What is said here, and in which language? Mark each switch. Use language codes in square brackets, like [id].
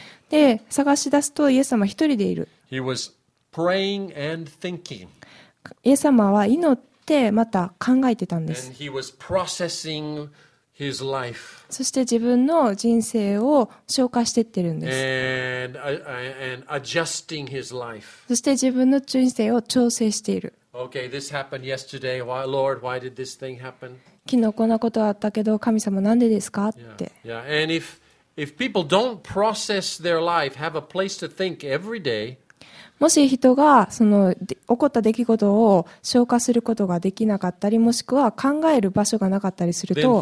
[ja] で探し出すとイエス様一人でいる。 [en] He was praying and thinking. [ja] イエス様は祈ってまた考えてたんです。 [en] And he was processing his life. [ja] そして自分の人生を消化していってるんです。 [en] and adjusting his life. [ja] そして自分の人生を調整している。 [en] okay, this happened yesterday. Why, Lord, why did this thing happen? [ja] 昨日こんなことあったけど神様なんでですかって。 yeah, yeah. [en] And if people don't process their life, have a place to think every day, [ja] もし人がその起こった出来事を消化することができなかったり、もしくは考える場所がなかったりすると、